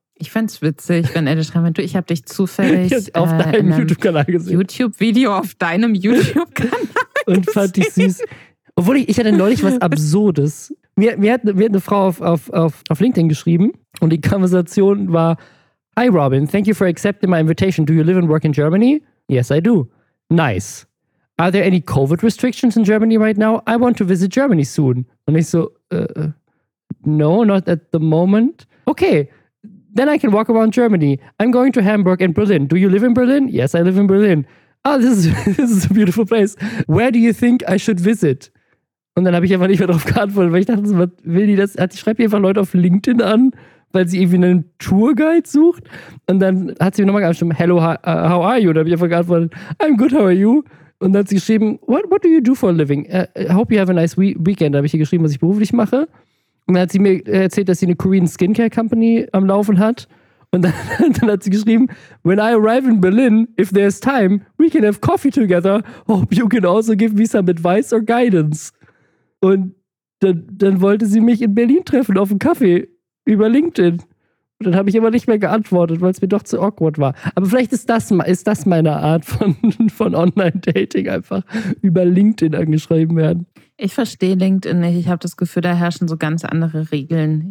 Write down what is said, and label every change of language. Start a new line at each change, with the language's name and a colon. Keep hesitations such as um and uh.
German: Ich fand's witzig, wenn er dir schreiben wird, du, ich habe dich zufällig Ich hab auf äh, in deinem einem YouTube-Kanal gesehen. YouTube-Video auf deinem YouTube-Kanal. und fand dich süß. Obwohl ich, ich hatte neulich was Absurdes. Mir, mir, hat, mir hat eine Frau auf, auf, auf, auf LinkedIn geschrieben und die Konversation war:
English: Hi Robin, thank you for accepting my invitation. Do you live and work in Germany? Yes, I do. Nice. Are there any COVID restrictions in Germany right now? I want to visit Germany soon.
German: Und ich so:
English: äh, No, not at the moment. Okay. Then I can walk around Germany. I'm going to Hamburg and Berlin. Do you live in Berlin? Yes, I live in Berlin. Ah, this is, this is a beautiful place. Where do you think I should visit?
German: Und dann habe ich einfach nicht mehr darauf geantwortet, weil ich dachte, so, was will die das? Hat die schreibt die einfach Leute auf LinkedIn an, weil sie irgendwie einen Tourguide sucht. Und dann hat sie mir nochmal geschrieben,
English: hello, hi- uh, how are you?
German: Und dann habe ich einfach geantwortet,
English: I'm good, how are you?
German: Und dann hat sie geschrieben,
English: what, what do you do for a living? Uh, I hope you have a nice we weekend.
German: Da habe ich ihr geschrieben, was ich beruflich mache. Und dann hat sie mir erzählt, dass sie eine Korean Skincare Company am Laufen hat. Und dann, dann hat sie geschrieben,
English: When I arrive in Berlin, if there's time, we can have coffee together. Hope you can also give me some advice or guidance.
German: Und dann, dann wollte sie mich in Berlin treffen auf einen Kaffee über LinkedIn. Und dann habe ich aber nicht mehr geantwortet, weil es mir doch zu awkward war. Aber vielleicht ist das, ma- ist das meine Art von, von Online-Dating, einfach über LinkedIn angeschrieben werden. Ich verstehe LinkedIn nicht. Ich habe das Gefühl, da herrschen so ganz andere Regeln.